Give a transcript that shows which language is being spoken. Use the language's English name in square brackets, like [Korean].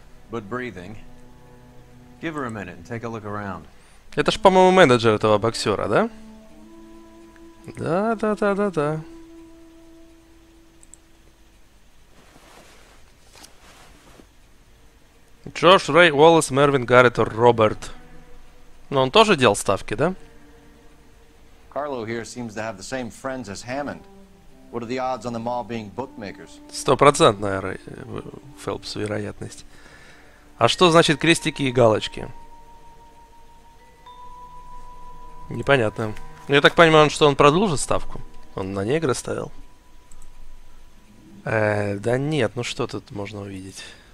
[Russian] Это ж, по-моему, менеджер этого боксера, да? Да. Джош, Рэй, Уоллес, Мервин, Гаррет, Роберт. Но он тоже делал ставки, да? [English] Carlo here seems to have the same friends as Hammond. What are the odds on them all being bookmakers? [Russian] 100%, Фелпс, вероятность. А что значит крестики и галочки? Непонятно. Я так понимаю, что он продолжит ставку? Он на негра ставил? Да нет, ну что тут можно увидеть?